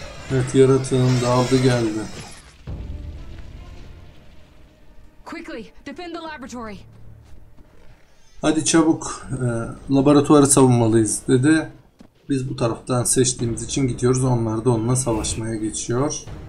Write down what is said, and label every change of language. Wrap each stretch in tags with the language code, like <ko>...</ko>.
<tr>Evet, yaratığım dağıldı geldi.</tr> <en>Quickly, defend the laboratory.</en> <tr>Hadi çabuk, laboratuvarı savunmalıyız dedi. Biz bu taraftan seçtiğimiz için gidiyoruz. Onlar da onunla savaşmaya geçiyor.</tr>